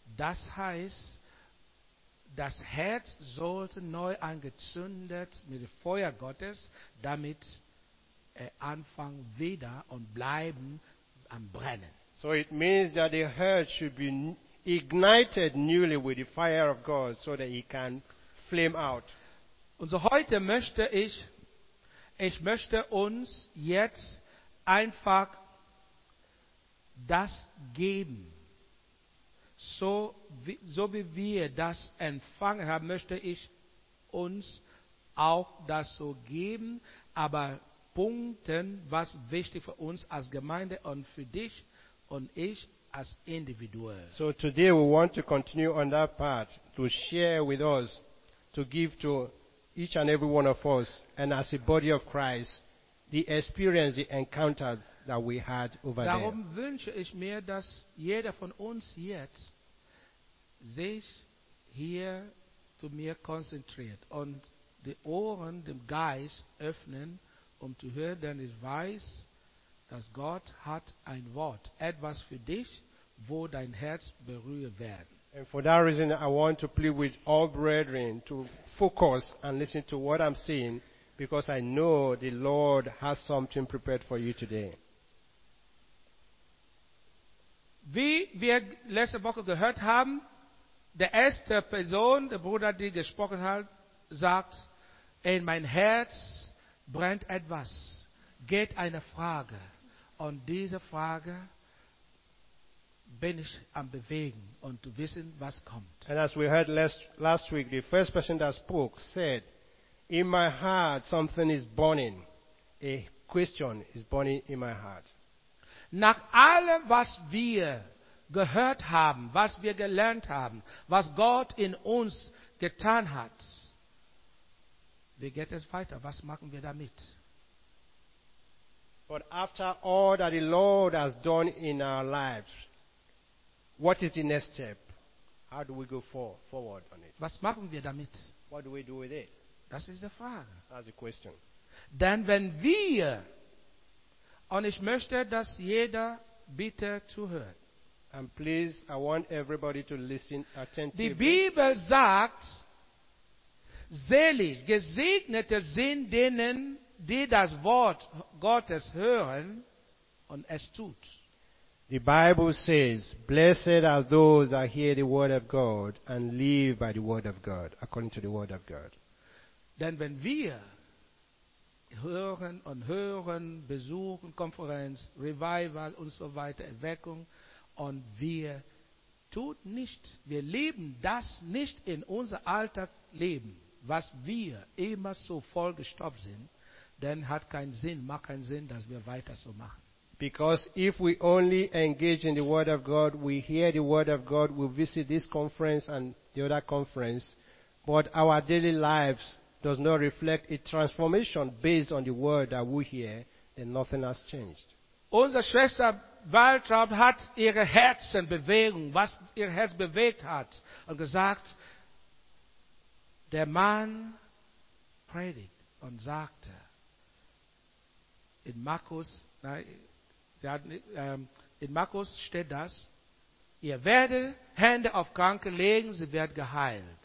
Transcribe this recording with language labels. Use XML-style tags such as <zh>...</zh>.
<de>Das heißt, das Herz sollte neu angezündet mit dem Feuer Gottes, damit anfangen wieder und bleiben.</de> <en>So it means that the heart should be ignited newly with the fire of God so that it can flame out.</en> <de>Und so heute möchte ich möchte uns jetzt einfach das geben. So wie wir das empfangen haben, möchte ich uns auch das so geben, aber Punkten, was wichtig für uns als Gemeinde und für dich und ich als Individuum.</de> <en>So today we want to continue on that part to share with us, to give to each and every one of us and as a body of Christ the experience, the encounters that we had over</en> <de>Darum</de> <en>there.</en> <de>Darum wünsche ich mir, dass jeder von uns jetzt sich hier zu mir konzentriert und die Ohren dem Geist öffnen, um zu hören, denn ich weiß, dass Gott hat ein Wort, etwas für dich, wo dein Herz berührt werden.</de> <en>And for that reason, I want to plead with all brethren to focus and listen to what I'm saying, because I know the Lord has something prepared for you today.</en> <de>Wie wir letzte Woche gehört haben, der erste Person, der Bruder, die gesprochen hat, sagt, in mein Herz brennt etwas, geht eine Frage. Und diese Frage bin ich am Bewegen und zu wissen, was kommt.</de> <en>And as we heard last week, the first person that spoke said, in my heart something is burning, a question is burning in my heart.</en> <de>Nach allem, was wir gehört haben, was wir gelernt haben, was Gott in uns getan hat, wie geht es weiter? Was machen wir damit?</de> <en>But after all that the Lord has done in our lives, what is the next step? How do we go forward on it?</en> <de>Was machen wir damit?</de> <en>What do we do with it?</en> <de>Das ist die Frage.</de> <en>That's the question.</en> <de>Denn wenn wir, und ich möchte, dass jeder bitte zuhört.</de> <en>And please, I want everybody to listen attentively.</en> <de>Die Bibel sagt, selig, gesegnete sind denen, die das Wort Gottes hören und es tut.</de> <en>The Bible says, blessed are those that hear the word of God and live by the word of God, according to the word of God.</en> <de>Denn wenn wir hören und hören, besuchen, Konferenz, Revival und so weiter, Erweckung, und wir tun nicht, wir leben das nicht in unser Alltagsleben, was wir immer so vollgestopft sind, dann hat keinen Sinn, macht keinen Sinn, dass wir weiter so machen.</de> <en>Because if we only engage in the word of God, we hear the word of God, we visit this conference and the other conference, but our daily lives does not reflect a transformation based on the word that we hear, then nothing has changed.</en> <de>Unsere Schwester Waltraud hat ihre Herzenbewegung, was ihr Herz bewegt hat, und gesagt, der Mann predigt und sagte, in Markus steht das, ihr werdet Hände auf Kranke legen, sie wird geheilt.</de>